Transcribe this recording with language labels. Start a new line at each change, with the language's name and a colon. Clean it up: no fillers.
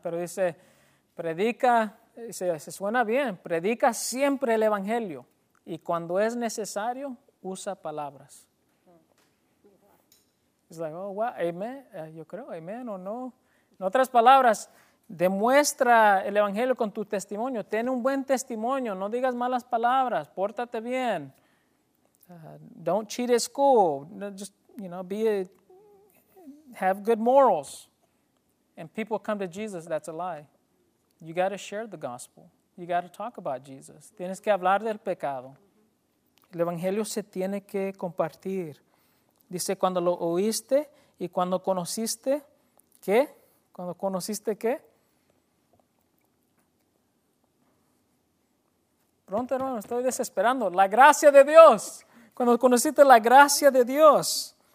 Spanish: Pero dice, predica, se suena bien, predica siempre el evangelio. Y cuando es necesario, usa palabras. Es
English: like, oh, wow,
Spanish: amen, yo creo, amen o no. En otras palabras, demuestra el evangelio con tu testimonio. Ten un buen testimonio, no digas malas palabras, pórtate bien.
English: Don't cheat at school, just, you know, have good morals. And people come to Jesus, that's a lie. You got to share the gospel. You got to talk about Jesus.
Spanish: Tienes que hablar del pecado. El evangelio se tiene que compartir. Dice, cuando lo oíste y cuando conociste, ¿qué? ¿Cuando conociste qué? Pronto, hermano, estoy desesperando. La gracia de Dios. Cuando conociste la gracia de Dios.